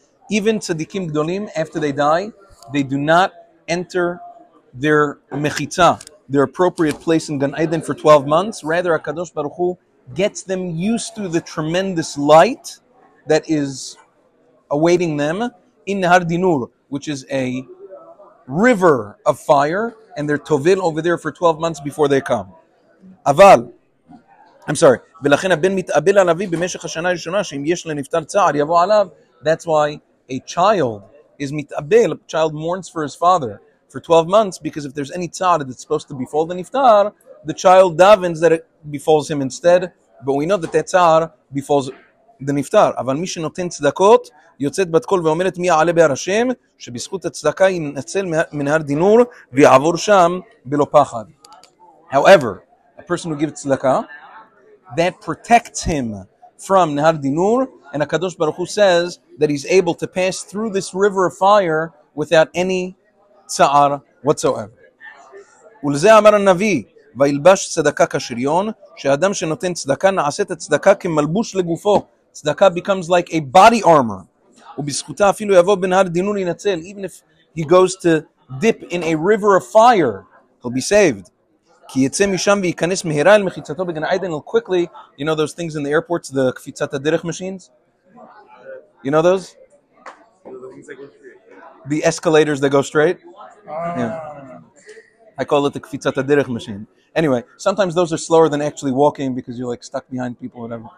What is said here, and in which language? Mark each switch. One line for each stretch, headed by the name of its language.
English: Even tzadikim gdolim, after they die, they do not enter their mechitza, their appropriate place in Gan Eden for 12 months. Rather, HaKadosh Baruch Hu gets them used to the tremendous light that is awaiting them in Nehar Dinur, which is a river of fire, and they're tovil over there for 12 months before they come.
Hebrew: Aval,
English: I'm sorry,
Hebrew: ולכן הבן מתאבל על אבי במשך השנה הראשונה שאם יש לנפטר צער יבוא עליו.
English: That's why a child is mitabel, a child mourns for his father for 12 months, because if there's any tzad that's supposed to befall the niftar, the child davens that it befalls him instead. But we know that that tzad befalls the niftar.
Hebrew: אבל מי שנותן צדקות יוצאת בת קול ואומרת מי יעלה בהר השם, שבזכות הצדקה ינצל מנהר דינור ויעבור שם בלא פחד.
English: However, a person who gives tzedakah, that protects him from נהר דינור, and הקדוש ברוך הוא says that he's able to pass through this river of fire without any צער whatsoever.
Hebrew: ולזה אמר הנביא, וילבש צדקה כשריון, שאדם שנותן צדקה נעשית הצדקה כמלבוש לגופו.
English: צדקה becomes like a body armor.
Hebrew: ובזכותה אפילו יבוא בנהר דינור ינצל.
English: Even if he goes to dip in a river of fire, he'll be saved.
Hebrew: כי יצא משם ויכנס מהרה אל מחיצתו בגן עדן.
English: He'll quickly, you know those things in the airports, the קפיצת הדרך machines? You know those? The escalators that go straight? Yeah. I call it the Kfitzat HaDerech machine. Anyway, sometimes those are slower than actually walking because you're like stuck behind people or whatever.